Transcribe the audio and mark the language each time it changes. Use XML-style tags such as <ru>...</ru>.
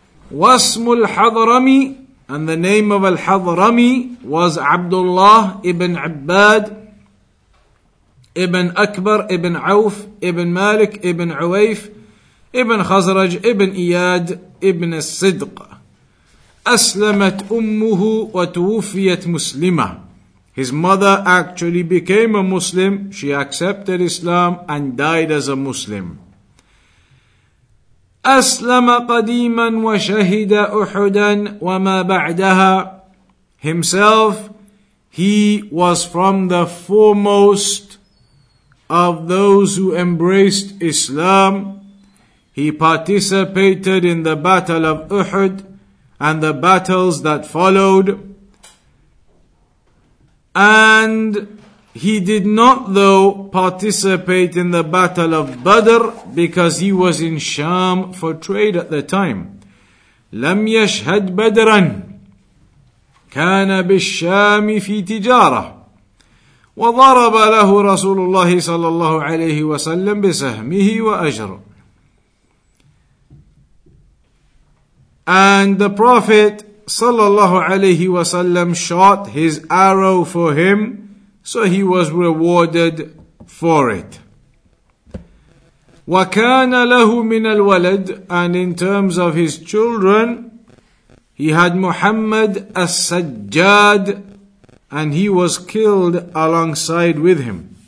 <en>Wasmu al-Hadrami, and the name of al-Hadrami was Abdullah ibn Abbad, ibn Akbar, ibn Awf, ibn Malik, ibn Uwayf, ibn Khazraj, ibn Iyad, ibn al-Sidq.</en> <ar>أسلمت أمه وتوفيت مسلمة.</ar> <en>His mother actually became a Muslim. She accepted Islam and died as a Muslim.</en> <ar>أسلم قديما وشهد أحدا وما بعدها.</ar> <en>Himself, he was from the foremost of those who embraced Islam. He participated in the battle of Uhud and the battles that followed. And he did not, though, participate in the battle of Badr, because he was in Sham for trade at the time.</en> <ar>لم يشهد بدرا كان بالشام في تجارة وضرب له رسول الله صلى الله عليه وسلم بسهمه وأجر.</ar> <en>And the Prophet sallallahu alayhi wasallam shot his arrow for him, so he was rewarded for it.</en> <ar>وَكَانَ لَهُ مِنَ الْوَلَدِ.</ar> <en>And in terms of his children, he had Muhammad as-Sajjad, and he was killed alongside with him.</en>